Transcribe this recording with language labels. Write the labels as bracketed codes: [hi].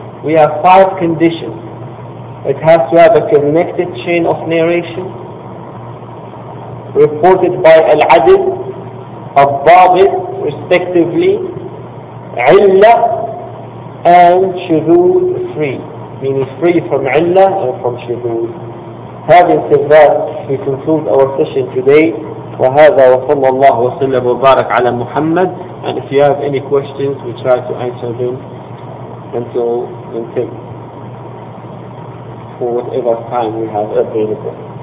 [en] We have five conditions. It has to have a connected chain of narration, reported by al-adil, al-dabit respectively, illah and shuzuz free, meaning free from illah and from shuzuz. Having said that, we conclude our session today. [ar] وهذا وصلى الله وسلم وبارك على محمد. [en] And if you have any questions, we try to answer them until for whatever time we have available.